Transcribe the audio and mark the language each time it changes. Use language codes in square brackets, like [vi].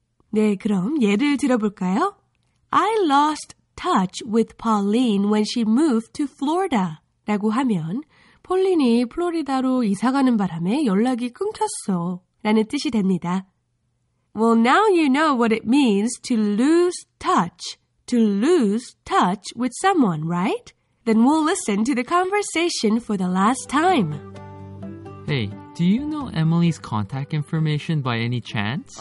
[ko] 네, 그럼 예를 들어볼까요? [en] I lost touch with Pauline when she moved to Florida. [ko] 라고 하면 폴린이 플로리다로 이사가는 바람에 연락이 끊겼어 라는 뜻이 됩니다. [en] Well, now you know what it means to lose touch. To lose touch with someone, right? Then we'll listen to the conversation for the last time. Hey, do you know Emily's contact information by any chance?